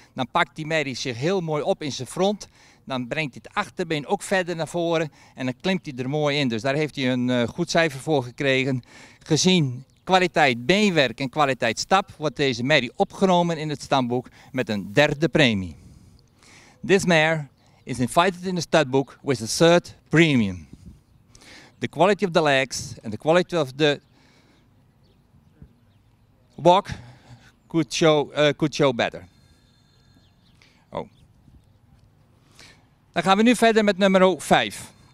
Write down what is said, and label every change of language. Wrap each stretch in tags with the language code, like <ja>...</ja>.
<nl>Dan pakt die merrie zich heel mooi op in zijn front. Dan brengt hij het achterbeen ook verder naar voren en dan klimt hij er mooi in. Dus daar heeft hij een goed cijfer voor gekregen. Gezien kwaliteit beenwerk en kwaliteit stap wordt deze merrie opgenomen in het stamboek met een derde premie.</nl> <en>This mare is invited in the studbook with a third premium. The quality of the legs and the quality of the walk could show better. Oh.</en> <nl>Dan gaan we nu verder met nummer 5.</nl>